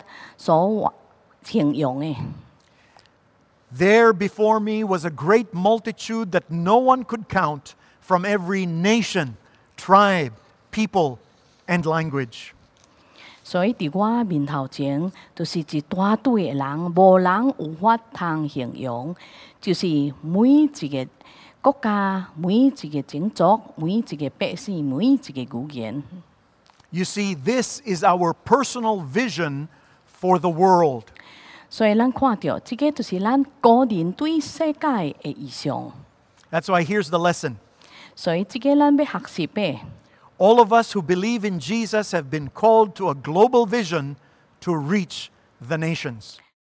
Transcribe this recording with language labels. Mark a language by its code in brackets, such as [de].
[nan] 在隆中就是形容使徒约翰在这个启示录第五章9到7章9节所形容的。 [en] There before me was a great multitude that no one could count from every nation, tribe, people, and language. [nan] 所以伫我面头前，就是一大堆的人，无人有法通形容，就是每一个国家、每一个种族、每一个百姓、每一个语言。 [en] You see, this is our personal vision for the world. [nan] 所以咱看到，这个就是咱个人对世界的意向。 [en] That's why here's the lesson. [nan] 所以这个咱要学习的。 [en] All of us who believe in Jesus have been called to a global vision to reach the nations.